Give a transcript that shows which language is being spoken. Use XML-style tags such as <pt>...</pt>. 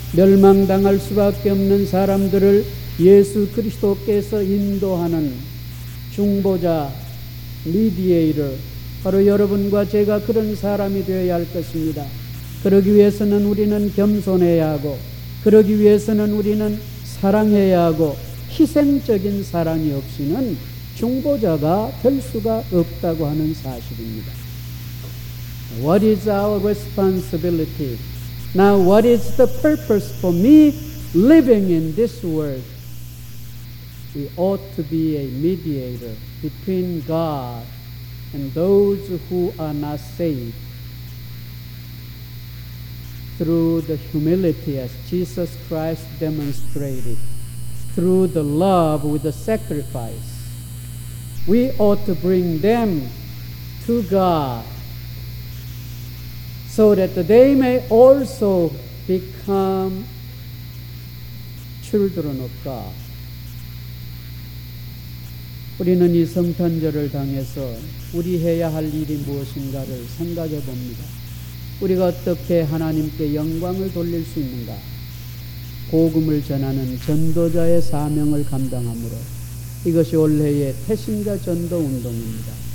<ko>멸망당할 수밖에 없는 사람들을 예수 그리스도께서 인도하는 중보자, 미디에이터, 바로 여러분과 제가 그런 사람이 되어야 할 것입니다. 그러기 위해서는 우리는 겸손해야 하고, 그러기 위해서는 우리는 사랑해야 하고, 희생적인 사랑이 없이는 중보자가 될 수가 없다고 하는 사실입니다.</ko> <en>What is our responsibility? Now, what is the purpose for me living in this world? We ought to be a mediator between God and those who are not saved through the humility as Jesus Christ demonstrated, through the love with the sacrifice. We ought to bring them to God so that they may also become children of God.</en> <ko>우리는 이 성탄절을 당해서 우리 해야 할 일이 무엇인가를 생각해 봅니다. 우리가 어떻게 하나님께 영광을 돌릴 수 있는가? 복음을 전하는 전도자의 사명을 감당함으로 이것이 올해의 태신자 전도 운동입니다.</ko>